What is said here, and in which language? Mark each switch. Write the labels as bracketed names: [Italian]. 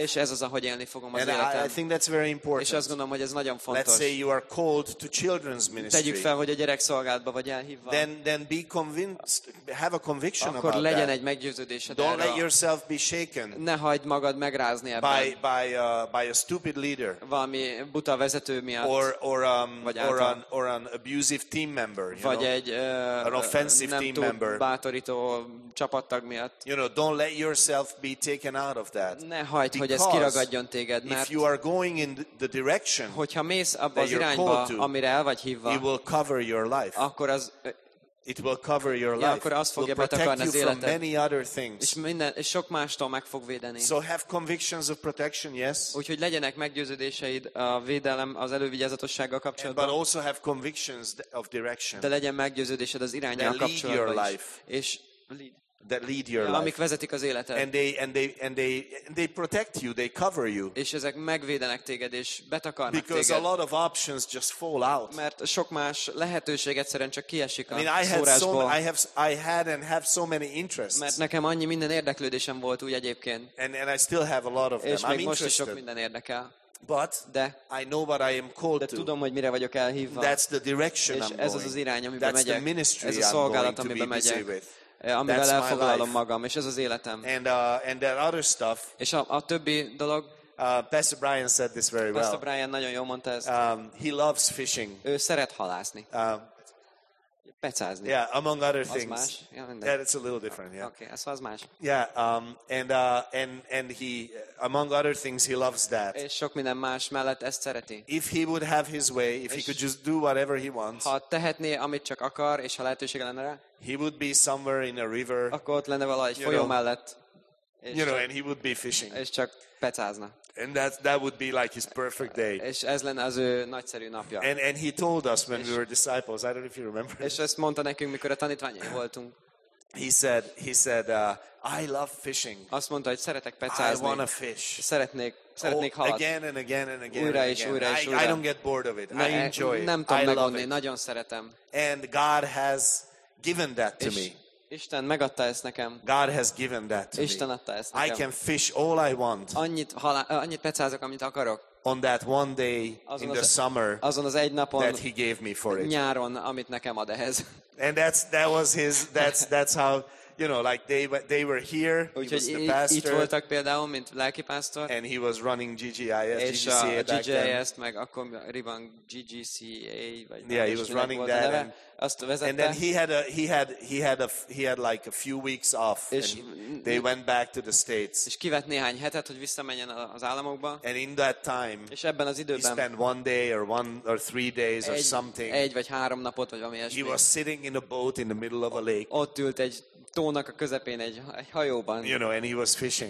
[Hungarian] És ez az, ahogy élni fogom az [English] And [Hungarian] életem. [English] I think that's very important. [Hungarian] És azt gondolom, hogy ez nagyon fontos. [English] Let's say you are called to children's ministry. [Hungarian] Tegyük fel, hogy a gyerekszolgálatba vagy elhívva. [English] Then be convinced, have a conviction [Hungarian] akkor [English] about [Hungarian] legyen [English] that. [Hungarian] Egy meggyőződésed [English] Don't erre. Let yourself be shaken. [Hungarian] Ne hagyd magad megrázni ebben. [English] By a stupid leader. [Hungarian] Valami buta vezető miatt. [English] Or an abusive team member. You [Hungarian] vagy [English] know? Egy an offensive nem team member. [Hungarian] Bátorító csapattag miatt. [English] You know, don't let yourself be taken out of that. [Hungarian] Ne hagyd, hogy ez kiragadjon téged, mert [English] if you are going in the direction, [Hungarian] hogyha mész abba az irányba, amire el vagy hívva, [English] it will cover your life. [Hungarian] Akkor az [English] it will cover your life. [Hungarian] Akkor az fogja betakarni az életed. [English] From many other things. [Hungarian] És sok mástól meg fog védeni. [English] So have convictions of protection, yes. [Hungarian] Úgyhogy legyenek meggyőződéseid a védelem az elővigyázatossággal kapcsolatban. [English] But also have convictions of direction. [Hungarian] De legyen meggyőződésed az irányjal kapcsolatban. [English] Lead your life. [Hungarian] És [English] that lead your [Hungarian] life. Amik vezetik az életed. [English] And they protect you, they cover you. [Hungarian] És ezek megvédenek téged és betakarnak téged. [English] Because a lot of options just fall out. [Hungarian] Mert sok más lehetőség egyszerűen csak kiesik a szórásból. [English] I had and have so many interests. [Hungarian] Mert nekem annyi minden érdeklődésem volt úgy egyébként. [English] And I still have a lot of them. [Hungarian] És még most is sok minden érdekel. [English] But [Hungarian] de, [English] I know what I am called to. [Hungarian] Tudom, hogy mire vagyok elhívva. [English] That's the direction I'm going. [Hungarian] Ez az az irány, amiben [English] that's [Hungarian] megyek. [English] The ministry [Hungarian] ez a szolgálat, amiben megyek. Amivel elfoglalom magam, és ez az életem. [English] And that other stuff. [Hungarian] És a többi dolog. [English] Pastor Brian said this very well. [Hungarian] Pastor Brian nagyon jól mondta ezt. [English] He loves fishing. [Hungarian] Ő szeret halászni. Pecázni. [English] Yeah, among other things. [Hungarian] Más. [English] Yeah, it's a little different, yeah. [Hungarian] Okay, szóval az más. [English] Yeah, and he among other things he loves that. [Hungarian] És sok minden más mellett ezt szereti. [English] If he would have his way, if he could just do whatever he wants. [Hungarian] Ha tehetné, amit csak akar, és ha lehetősége lenne rá. [English] He would be somewhere in a river. [Hungarian] Akkor ott lenne valahogy folyó mellett. [English] You know, and he would be fishing. [Hungarian] És csak pecázna. [English] And that would be like his perfect day. [Hungarian] És ez lenne az ő nagyszerű napja. [English] And he told us when we were disciples. I don't know if you remember. [Hungarian] És ezt mondta nekünk, mikor a tanítványai voltunk. [English] He said, I love fishing. [Hungarian] Azt mondta, hogy szeretek pecázni. [English] I want to fish. [Hungarian] Szeretnék halat. [English] Again and again and again. [Hungarian] Újra és újra és újra. [English] I don't get bored of it. I enjoy it. [Hungarian] Nem tudom megunni. Nagyon szeretem. [English] And God has given that to me. [Hungarian] Isten megadta ezt nekem. [English] God has given that to [Hungarian] Isten [English] me. [Hungarian] Adta ezt nekem. [English] I can fish all I want. [Hungarian] Annyit pecázok, amit akarok. [English] On that one day [Hungarian] azon [English] in the summer. [Hungarian] Azon az egy napon. [English] That he gave me for it. [Hungarian] Nyáron, amit nekem ad ehhez. [English] And that was his that's how, you know, like they were here. [Hungarian] Úgyhogy [English] he was the pastor. [Hungarian] Itt voltak például, mint lelki pastor. [English] And he was running GGIS. [Hungarian] És GGIS, meg akkor Ribbon GGCA vagy. [English] Yeah, he was running that. And then he had like a few weeks off. [Hungarian] És [English] and they went back to the States. [Hungarian] És kivett néhány hetet, hogy visszamenjen az államokba. [English] And in that time, [Hungarian] és ebben az időben, [English] he spent one day or one or three days or something. [Hungarian] Egy vagy három napot vagy valami ilyesmi. [English] He was sitting in a boat in the middle of a lake. [Hungarian] Ott ült egy tónak a közepén egy hajóban. [English] You know, and he was fishing.